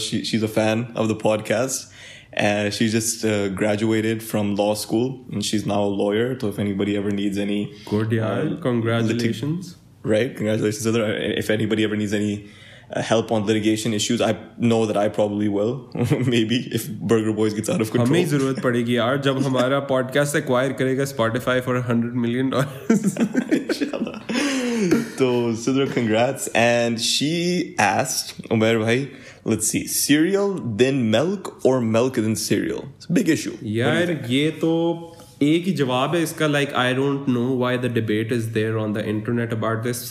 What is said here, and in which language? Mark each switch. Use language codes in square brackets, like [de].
[en] She's a fan of the podcast. She just graduated from law school and she's now a lawyer. So if anybody ever needs any... Good, yeah. Congratulations. Congratulations, Sidra. If anybody ever needs any... help on litigation issues. I know that I probably will. Maybe if Burger Boys gets out of control. [hi] हमें ही ज़रूरत पड़ेगी यार जब हमारा podcast acquire करेगा Spotify for $100 million. [en] Inshallah. So Sidra, congrats. And she asked, Umair bhai, let's see, cereal then milk or milk then cereal? It's a big issue. [hi] Yaar, ye to ek hi jawab hai iska. [en] Like, I don't know why the debate is there on the internet about this.